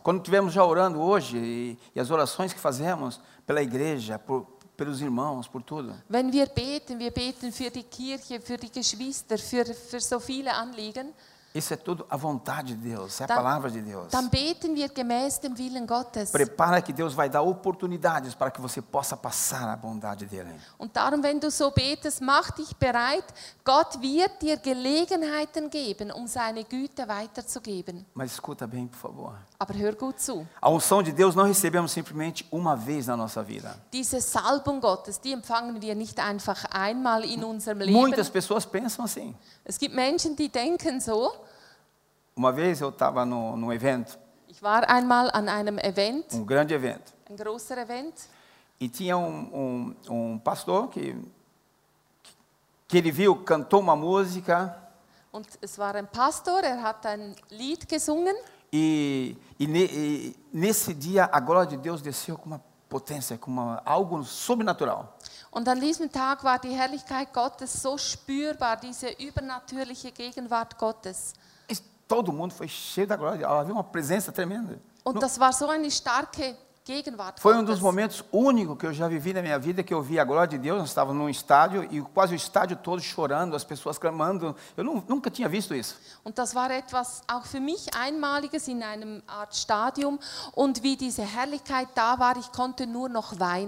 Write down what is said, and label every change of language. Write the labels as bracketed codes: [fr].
[pt] Quando estivermos já orando hoje e as orações que fazemos pela igreja, pelos irmãos, por tudo. [de] Wenn wir beten für die Kirche, für die Geschwister, für so viele Anliegen. [pt] Isso é tudo a vontade de Deus, é a palavra de Deus. [de] Dann beten wir gemäß dem Willen Gottes. [pt] Prepara que Deus vai dar oportunidades para que você possa passar a bondade dele. [de] Und darum, wenn du so betest, mach dich bereit, Gott wird dir Gelegenheiten geben, seine Güte weiterzugeben. [pt] Mas escuta bem, por favor. [de] Aber hör gut zu. [pt] A unção de Deus não recebemos simplesmente uma vez na nossa vida. [de] Diese Salbung Gottes, die empfangen wir nicht einfach einmal in unserem Leben. [pt] Muitas pessoas pensam assim. [de] Es gibt Menschen, die denken so. [pt] Uma vez eu estava num evento. [de] Ich war einmal an einem Event. [pt] Um grande evento. [de] Ein großer Event. [pt] E tinha um pastor que ele viu, cantou uma música. [de] Und es war ein Pastor, hat ein Lied gesungen. [pt] E nesse dia a glória de Deus desceu com uma potência, com algo sobrenatural. [de] Und an diesem Tag war die Herrlichkeit Gottes so spürbar, diese übernatürliche Gegenwart Gottes. [pt] Todo mundo foi cheio da glória, havia uma presença tremenda. [de] Und das war so eine starke Gegenwart. [pt] Foi dos momentos únicos que eu já vivi na minha vida, que eu vi a glória de Deus. Nós estávamos num estádio e quase o estádio todo chorando, as pessoas clamando. Eu nunca tinha visto isso. [de] Und das war etwas auch für mich einmaliges in einem Art Stadium und wie diese Herrlichkeit da war, ich konnte nur noch weinen.